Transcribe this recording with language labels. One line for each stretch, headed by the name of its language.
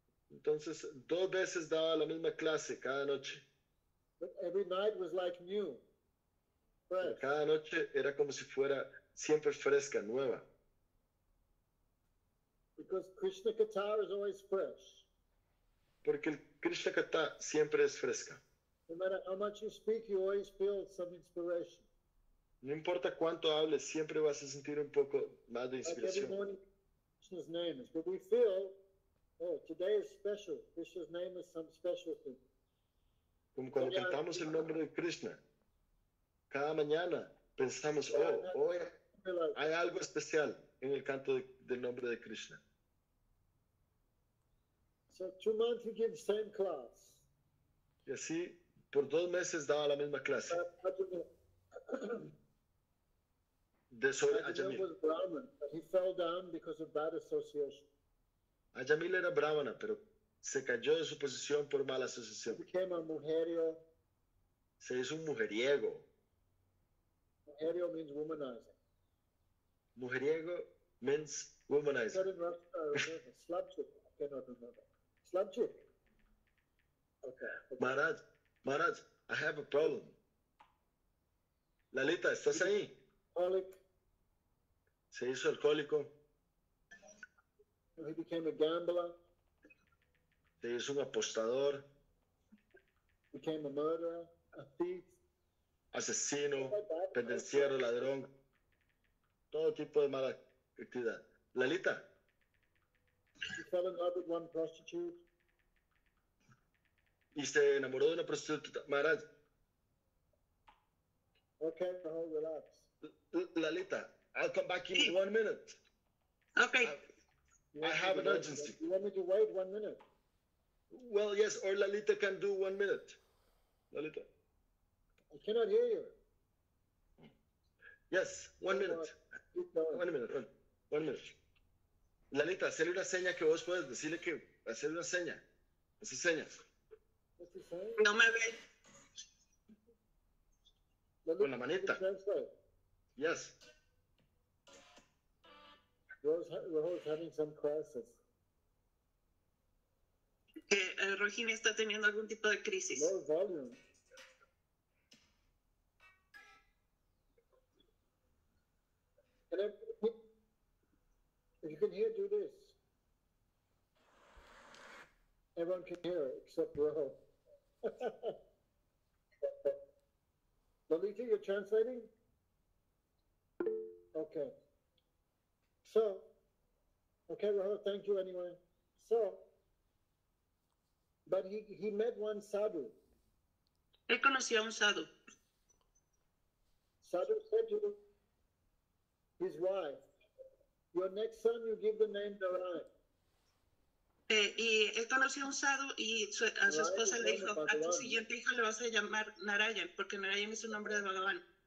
Spanish: Entonces, dos veces daba la misma clase cada noche.
English: But every night was like new.
Spanish: Cada noche era como si fuera siempre fresca, nueva.
English: Because Krishna Katha is always fresh.
Spanish: Porque el Krishna Katha siempre es fresca.
English: No matter how much you speak, you always feel some inspiration.
Spanish: No importa cuánto hables, siempre vas a sentir un poco más de inspiración.
English: Like every morning, Krishna's name is, but we feel, oh, today is special. Krishna's name is some special thing.
Spanish: Como cuando so, cantamos el nombre de Krishna, cada mañana pensamos, oh, hoy hay algo especial en el canto del nombre de Krishna.
English: So 2 months you give the same class.
Spanish: Y así, por 2 meses daba la misma clase. De sobre Ajamil.
English: Was Brahman, but he fell down because of bad association.
Spanish: Ajamil era brahmana, pero se cayó de su posición por mala asociación.
English: He became a mujeriego.
Spanish: Se hizo un mujeriego.
English: Mujeriego means womanizing. Mujeriego means womanizing. Not in Russia, Slavchik. I cannot remember. Slavchik. Okay. Maharaj, Maharaj, I have a problem.
Spanish: Lalita, ¿estás ahí?
English: Alcoholic.
Spanish: Se hizo alcohólico.
English: He became a gambler.
Spanish: Se hizo un apostador.
English: Became a murderer, a thief.
Spanish: Asesino, pendenciero, ladrón. Todo tipo de mala actividad.
English: Lalita. He fell in love with one prostitute. Y se enamoró de una prostituta. Maharaj. Okay, I'll relax. Lalita, I'll come back in 1 minute. Okay. I have an urgency. You want me to wait 1 minute? Well, yes, or Lalita can do 1 minute. Lalita. I cannot hear you. Yes, 1 minute. 1 minute, 1 minute.
Spanish: Lalita, hacerle una seña que vos puedes decirle que hacerle una seña. Hace señas. No me ve. Con la manita. Yes.
English: Rose having some crisis.
Spanish: Rohini está teniendo algún tipo de crisis.
English: Low volume. If you can hear, do this. Everyone can hear it except Rohini. Lalita, you're translating? Okay. So, okay, Rahul, thank you anyway. So, but he met one sadhu.
Spanish: He conocía un sadhu.
English: Sadhu said to his wife, your next son, you give the name Narayan.
Spanish: Y él conoció a un sadhu y a su esposa le dijo, a tu siguiente hijo le vas a llamar Narayan, porque Narayan es un nombre de Bhagavan.